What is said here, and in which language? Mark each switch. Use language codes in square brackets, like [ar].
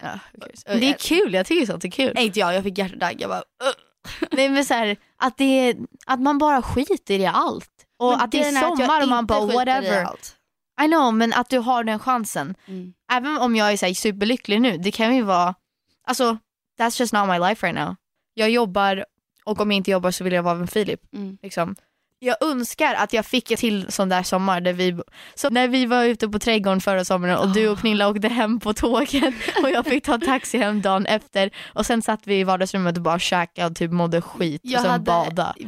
[sv] Ja, okay. Det är kul, jag tycker sånt är kul. Nej, inte jag fick hjärtadagg. Jag bara... Nej, men så här, att man bara skiter i allt. Och men att det är sommar att och man bara, whatever. [en] I know, [sv] men att du har den chansen. Mm. Även om jag är så här, superlycklig nu, det kan ju vara... Alltså, [en] that's just not my life right now. [sv] Jag jobbar, och om jag inte jobbar så vill jag vara med Filip. Mm. Liksom. Jag önskar att jag fick till sån där sommar där vi, så när vi var ute på trädgården förra sommaren och du och Pernilla åkte hem på tåget och jag fick ta taxi hem dagen efter och sen satt vi i vardagsrummet och bara käkade och typ mådde skit och sen bada.